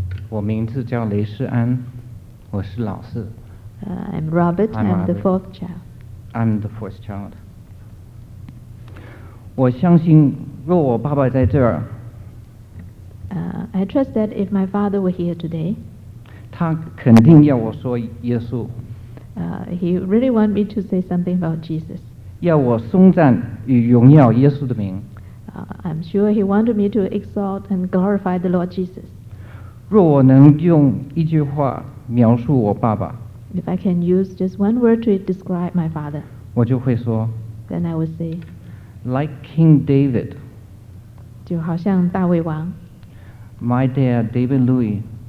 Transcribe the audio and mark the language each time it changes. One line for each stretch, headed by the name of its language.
Chinese: 我名字叫雷士安，我是老四。
English: I'm Robert, I'm the fourth child. I'm the fourth child.
Chinese: 我相信若我爸爸在这儿。
English: I trust that if my father were here today,
Chinese: 他肯定要我说耶稣。
English: He really want me to say something about Jesus.
Chinese: 要我颂赞与荣耀耶稣的名。
English: I'm sure he wanted me to exalt and glorify the Lord Jesus.
Chinese: 若我能用一句话描述我爸爸。
English: If I can use just one word to describe my father.
Chinese: 我就会说。
English: Then I would say. Like King David.
Chinese: 就好像大卫王。
English: My dad, David Louis.